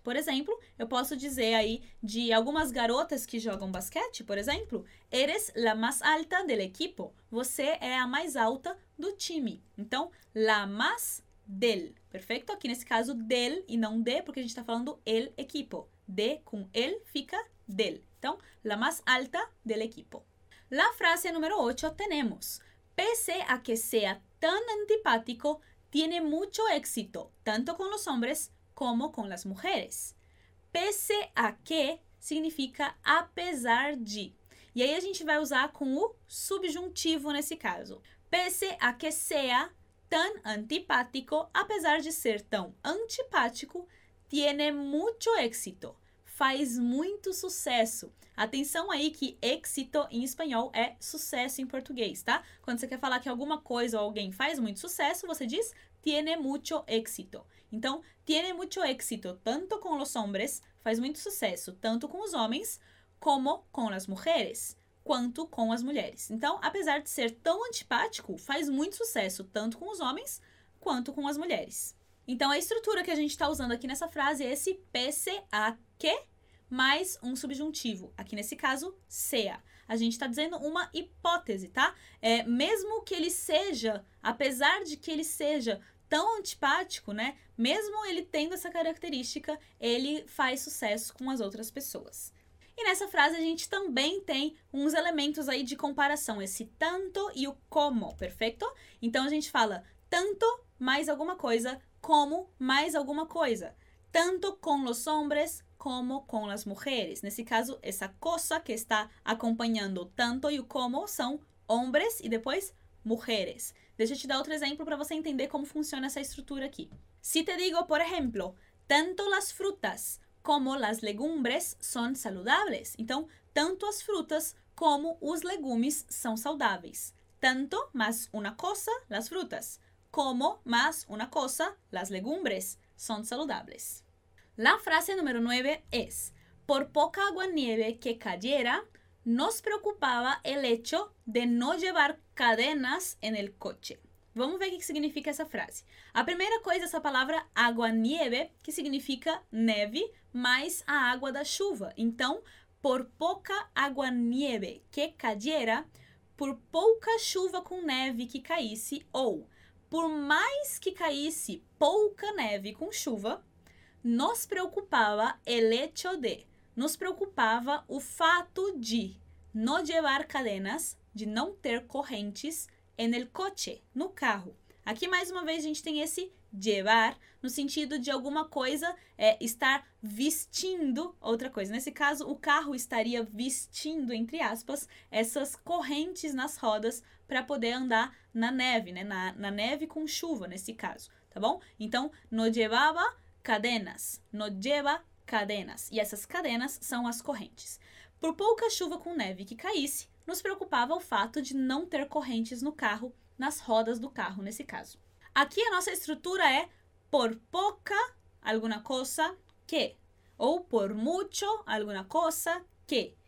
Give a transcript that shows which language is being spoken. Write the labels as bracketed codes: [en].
[pt] Por exemplo, eu posso dizer aí de algumas garotas que jogam basquete, por exemplo, [es] eres la más alta del equipo. [pt] Você é a mais alta do time. Então, [es] la más del. [pt] Perfeito? Aqui nesse caso, del e não de, porque a gente está falando [es] el equipo. [pt] De com el fica del. Então, [es] la más alta del equipo. La frase número 8 tenemos. Pese a que sea tan antipático, tiene mucho éxito, tanto con los hombres como con las mujeres. Pese a que [pt] significa apesar de. E aí a gente vai usar com o subjuntivo nesse caso. [es] Pese a que sea tan antipático, [pt] apesar de ser tão antipático, [es] tiene mucho éxito. [pt] Faz muito sucesso. Atenção aí que éxito em espanhol é sucesso em português, tá? Quando você quer falar que alguma coisa ou alguém faz muito sucesso, você diz [es] tiene mucho éxito. [pt] Então, [es] tiene mucho éxito [pt] tanto com [es] los hombres, [pt] faz muito sucesso, tanto com os homens, como com [es] las mujeres, [pt] quanto com as mulheres. Então, apesar de ser tão antipático, faz muito sucesso tanto com os homens, quanto com as mulheres. Então, a estrutura que a gente está usando aqui nessa frase é esse [es] pese a que [pt] mais um subjuntivo. Aqui, nesse caso, sea. A gente está dizendo uma hipótese, tá? É, mesmo que ele seja, apesar de que ele seja tão antipático, né? Mesmo ele tendo essa característica, ele faz sucesso com as outras pessoas. E nessa frase, a gente também tem uns elementos aí de comparação. Esse tanto e o como, perfeito? Então, a gente fala tanto mais alguma coisa, como mais alguma coisa. [es] Tanto com los hombres como com las mujeres. [pt] Nesse caso, essa cosa que está acompanhando o tanto e o como são hombres e depois mujeres. Deixa eu te dar outro exemplo para você entender como funciona essa estrutura aqui. [es] Si te digo, [pt] por exemplo, [es] tanto las frutas como las legumbres son saludables. [pt] Então, tanto as frutas como os legumes são saudáveis. [es] Tanto mas una cosa, las frutas. Como mas una cosa, las legumbres son saludables. La frase número 9 es, por poca agua nieve que cayera, nos preocupaba el hecho de no llevar cadenas en el coche. [pt] Vamos ver o que significa essa frase. A primeira coisa, essa palavra [es] agua nieve, [pt] que significa neve, mais a água da chuva. Então, [es] por poca agua nieve que cayera, [pt] por pouca chuva com neve que caísse, ou por mais que caísse pouca neve com chuva, nos preocupava [es] el hecho de, [pt] nos preocupava o fato de [es] no llevar cadenas, [pt] de não ter correntes [es] en el coche, [pt] no carro. Aqui, mais uma vez, a gente tem esse llevar no sentido de alguma coisa estar vestindo outra coisa. Nesse caso, o carro estaria vestindo, entre aspas, essas correntes nas rodas para poder andar na neve, né? Na neve com chuva, nesse caso, tá bom? Então, [es] no llevaba cadenas, no lleva cadenas. [pt] E essas cadenas são as correntes. Por pouca chuva com neve que caísse, nos preocupava o fato de não ter correntes no carro, nas rodas do carro, nesse caso. Aqui a nossa estrutura é por pouca alguma coisa que, ou [es] por mucho [pt] alguma coisa que.